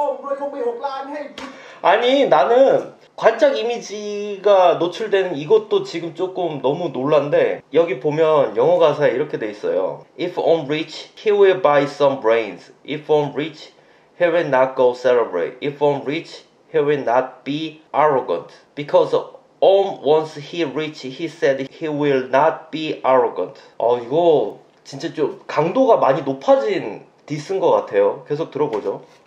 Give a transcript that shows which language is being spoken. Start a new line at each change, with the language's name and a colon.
Korean: (웃음) 아니 나는 관짝 이미지가 노출되는 이것도 지금 조금 너무 놀란데 여기 보면 영어 가사에 이렇게 돼 있어요.
English: If I'm rich, he will buy some brains. If I'm rich, he will not go celebrate. If I'm rich, he will not be arrogant. Because Om once he rich, he said he will not be arrogant.
Korean: 이거 진짜 좀 강도가 많이 높아진 디스인 것 같아요. 계속 들어보죠.